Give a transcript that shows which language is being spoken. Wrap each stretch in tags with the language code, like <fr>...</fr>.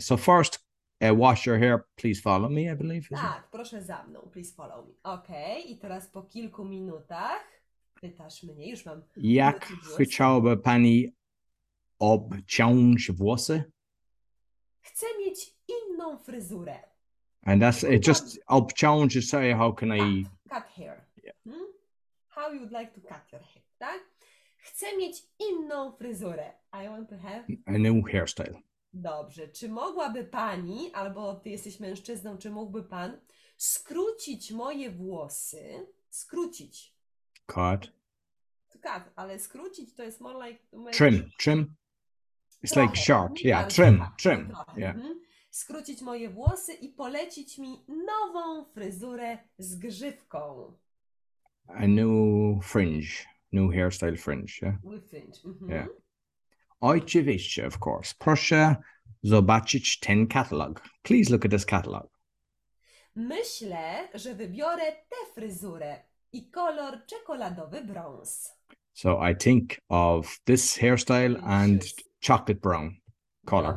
<en>So first, wash your hair, please follow me, I believe.</en> <pl>Tak, proszę za mną,</pl> <en>please follow me.</en> <pl>Okay, i teraz po kilku minutach pytasz mnie, już mam... Jak chciałaby pani obciąć włosy? Chcę mieć inną fryzurę.</pl> <en>And that's it, just obciąć, you say, how can cut, I... Cut hair. Yeah. How you'd like to cut your hair, tak?</en> <pl>Chcę mieć inną fryzurę.</pl> <en>I want to have... A new hairstyle.</en> <pl>Dobrze. Czy mogłaby pani, albo ty jesteś mężczyzną, czy mógłby pan skrócić moje włosy? Skrócić.</pl> <en>Cut.</en> <pl>Cut, ale skrócić to jest</pl> <en>more like... Trim, trim. It's trochę, like short, yeah, trim, trim. Yeah.</en> <pl>Skrócić moje włosy i polecić mi nową fryzurę z grzywką.</pl> <en>A new fringe, new hairstyle fringe, yeah? With fringe,</en> <pl>Oczywiście,</pl> <en>of course.</en> <pl>Proszę zobaczyć ten katalog.</pl> <en>Please look at this catalog.</en> <pl>Myślę, że wybiorę tę fryzurę. I kolor czekoladowy brąz.</pl> <en>So I think of this hairstyle and chocolate brown color.</en>